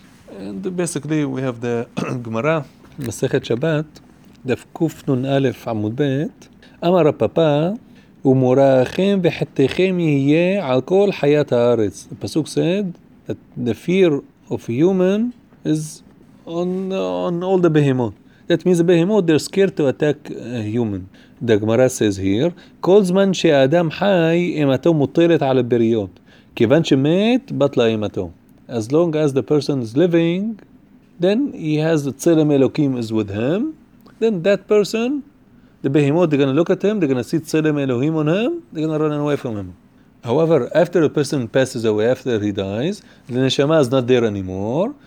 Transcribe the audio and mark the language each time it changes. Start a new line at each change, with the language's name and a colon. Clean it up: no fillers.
English: And basically, we have the Gemara, Masechet Shabbat, Daf Kuf Nun Alef Amud Bet.
Hebrew: Amar Papa, Umorachem v'hetechem yehye al kol hayat haaretz.
English: The Pasuk said that the fear of a human is on all the behemoth. That means the behemoth, they're scared to attack a human.
Hebrew: The Gemara says here, כל זמן שהאדם חי, אימתו מוטלת על הבריות. כיוון שמת, בטלה אימתו.
English: As long as the person is living, then he has the צלם אלוקים is with him. Then that person, the behemoth, they're going to look at him, they're going to see צלם אלוהים on him, they're going to run away from him. However, after a person passes away, after he dies, the neshama is not there anymore.